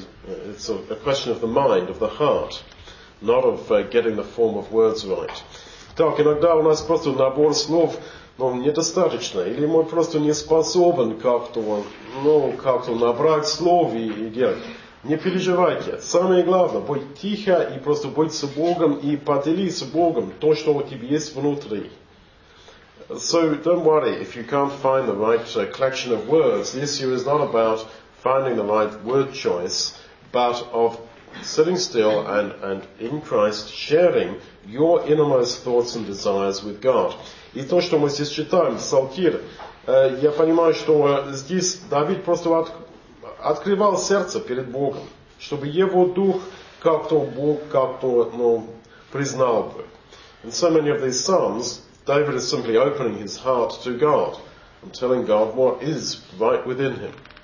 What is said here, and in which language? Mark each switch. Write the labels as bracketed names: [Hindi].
[English] It's a question of the mind, of the heart, not of getting the form of words right. [Russian] Так, иногда у нас просто набор слов, но недостаточно, или мы просто не способны как-то набрать слов и делать. Не переживайте. Самое главное, будь тихо и просто будь с Богом и поделись с Богом то, что у тебя есть внутри. [English] So don't worry if you can't find the right collection of words. The issue is not about finding the right word choice, but of sitting still and in Christ sharing your innermost thoughts and desires with God. [Russian] И то, что мы здесь читаем, Псалтир, я понимаю, что здесь Давид просто открывал сердце перед Богом, чтобы его дух как-то Бог как-то признал бы. [English] In so many of these psalms, David is simply opening his heart to God and telling God what is right within him.